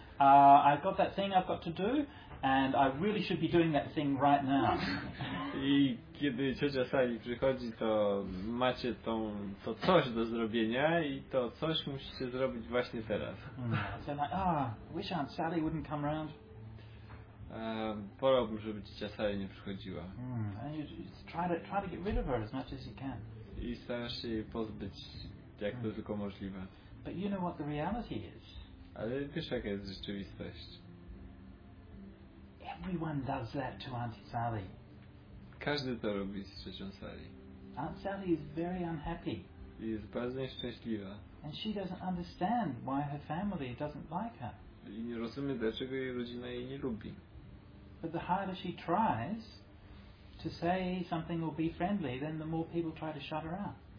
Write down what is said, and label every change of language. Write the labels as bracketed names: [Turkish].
[English] I've got that thing I've got to do. And I really should be doing that thing right now. [Polish] I kiedy ciocia Sally przychodzi, to macie to coś do zrobienia i to coś musicie zrobić właśnie teraz. [English] So I'm like, wish Aunt Sally wouldn't come round. [Polish] Wolałbym, żeby ciocia Sally nie przychodziła. [English] And you try to get rid of her as much as you can. [Polish] I starasz się jej pozbyć, jak to tylko możliwe. [English] But you know what the reality is. [Polish] Ale wiesz, jaka jest rzeczywistość. [English] Everyone does that to Aunt Sally. [Polish] Każdy to robi z ciocią Sally. [English] Aunt Sally is very unhappy. [Polish] I jest bardzo nieszczęśliwa. [English] And she doesn't understand why her family doesn't like her. [Polish] I nie rozumie, dlaczego jej rodzina jej nie lubi. [English] But the harder she tries to say something or be friendly, then the more people try to shut her out.